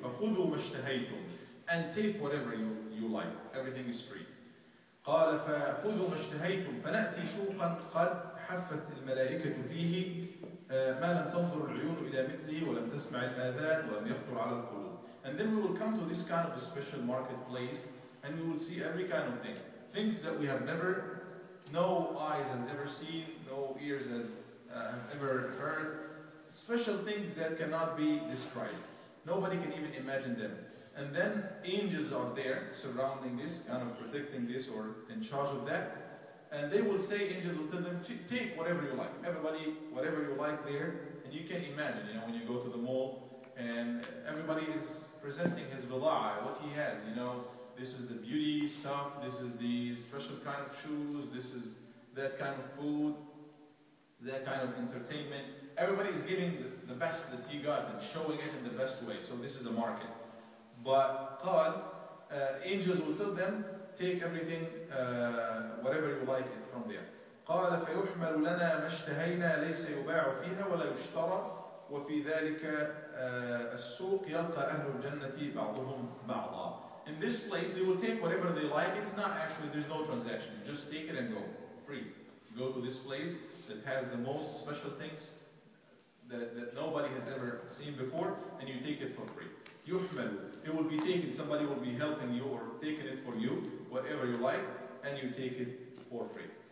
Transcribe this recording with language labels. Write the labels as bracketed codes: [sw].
[ar] فخذوا ما اشتهيتم [en] and take whatever you like. Everything is free. [ar] قال فخذوا ما اشتهيتم فنأتي سوقا قد حفت الملائكة فيه ما لم تنظر العيون إلى مثله ولم تسمع الآذان ولم يخطر على القلوب. [en] And then we will come to this kind of a special marketplace and we will see every kind of thing. Things that we have never, no eyes has ever seen, no ears has ever heard. Special things that cannot be described. Nobody can even imagine them. And then angels are there surrounding this, kind of protecting this or in charge of that. And they will say, angels will tell them, take whatever you like. Everybody, whatever you like there. And you can imagine, you know, when you go to the mall and everybody is presenting his bala'a, what he has, you know, this is the beauty stuff, this is the special kind of shoes, this is that kind of food, that kind of entertainment. Everybody is giving the best that he got and showing it in the best way. So this is a market. But قال, angels will tell them, take everything, whatever you like it from there. [ar] قال فيحمل لنا ما اشتهينا ليس يباع فيها ولا يشترى وفي ذلك السوق يلقى أهل الجنة بعضهم بعضا. [en] In this place they will take whatever they like. It's not actually, there's no transaction. Just take it and go. Free. Go to this place that has the most special things that nobody has ever seen before and you take it for free. [ar] يحمل. [en] It will be taken. Somebody will be helping you or taking it for you. Whatever you like and you take it for free.